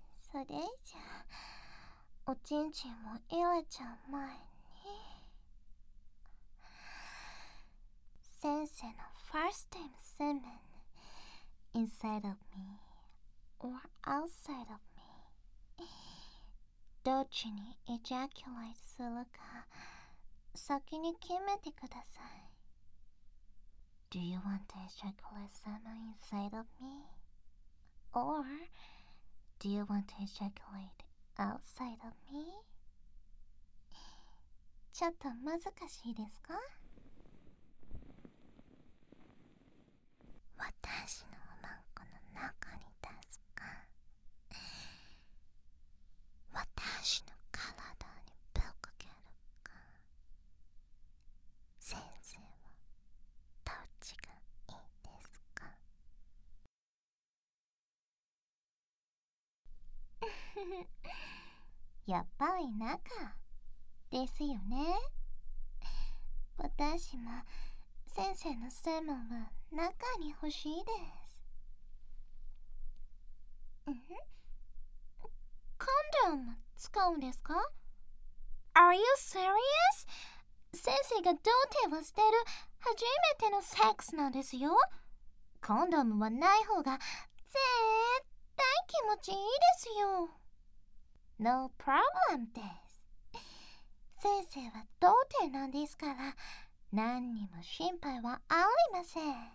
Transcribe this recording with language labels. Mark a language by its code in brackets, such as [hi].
[ja] それ以上、おちんちんも入れちゃう前に、先生の [en] First time semen inside of me [ja] or outside of me どっちにエジャキュライトするか先に決めてください。 [en] Do you want to ejaculate semen inside of me or do you want to ejaculate outside of me? [ja] ちょっと難しいですか？私のおまんこの中に出すか、私の体にぶっかけるか、先生はどっちがいいですか？やっぱり中ですよね。私も先生のセモンは中に欲しいです。コンドーム使うんですか？ [en] Are you serious? [ja] 先生が童貞を捨てる初めてのセックスなんですよ。コンドームはない方が絶対気持ちいいですよ。 [en] No problem [ja] です。先生は童貞なんですから、何にも心配はありません。